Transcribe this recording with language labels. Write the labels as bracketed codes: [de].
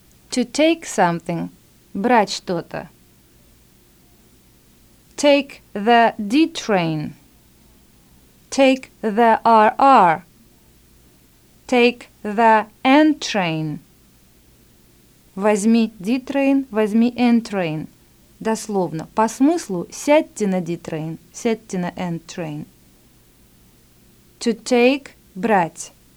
[en] To take something, [ru] брать что-то. [en] Take the D train. Take the RR. Take the N train. [ru] Возьми D-train, возьми N-train. Дословно, по смыслу, сядьте на D-train, сядьте на N-train. [en] To take, [ru] брать.